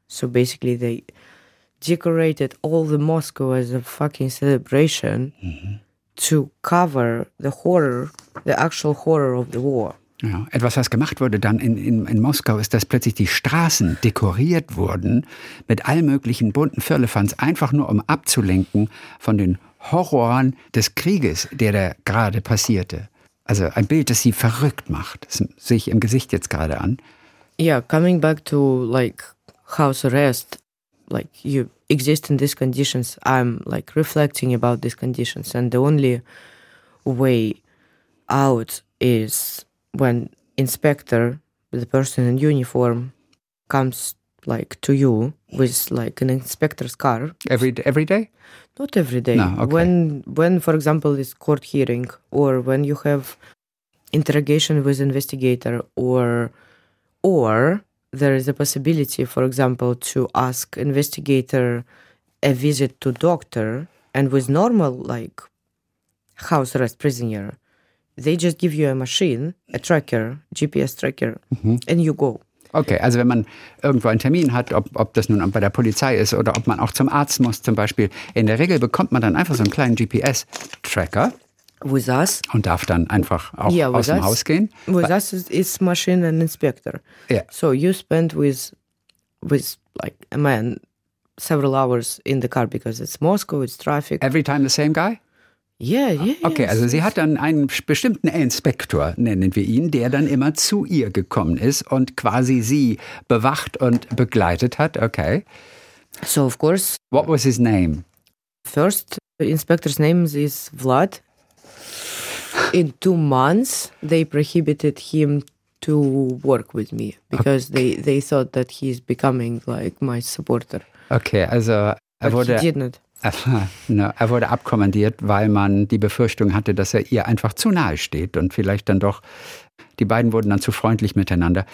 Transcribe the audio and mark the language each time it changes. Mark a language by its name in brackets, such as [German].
[English] So basically they decorated all the Moscow as a fucking celebration to cover the horror, the actual horror of the war. [German] Ja, etwas, was gemacht wurde dann in Moskau, ist, dass plötzlich die Straßen dekoriert wurden mit all möglichen bunten Firlefanz, einfach nur um abzulenken von den Horroren des Krieges, der da gerade passierte. Also ein Bild, das sie verrückt macht, das sehe ich im Gesicht jetzt gerade an. [English] Yeah, coming back to like house arrest, like you exist in these conditions, I'm like reflecting about these conditions and the only way out is when inspector, the person in uniform, comes like to you with like an inspector's car. Every day? Not every day. No, okay. When for example, this court hearing, or when you have interrogation with investigator, or there is a possibility, for example, to ask investigator a visit to doctor, and with normal like house arrest prisoner, they just give you a machine, a tracker, GPS tracker, and you go. [German] Okay, also wenn man irgendwo einen Termin hat, ob das nun bei der Polizei ist oder ob man auch zum Arzt muss zum Beispiel, in der Regel bekommt man dann einfach so einen kleinen GPS-Tracker. [English] With us. [German] Und darf dann einfach auch aus dem Haus gehen. [English] With us is machine and inspector. Yeah. So you spend with like a man several hours in the car because it's Moscow, it's traffic. Every time the same guy? Yeah. [German] Okay, also sie hat dann einen bestimmten Inspektor, nennen wir ihn, der dann immer zu ihr gekommen ist und quasi sie bewacht und begleitet hat, okay. [English] So, of course. What was his name? First, the inspector's name is Vlad. In 2 months, they prohibited him to work with me because they thought that he's becoming like my supporter. [German] Okay, also er wurde... [English] But he did not. [German] Er wurde abkommandiert, weil man die Befürchtung hatte, dass er ihr einfach zu nahe steht und vielleicht dann doch, die beiden wurden dann zu freundlich miteinander.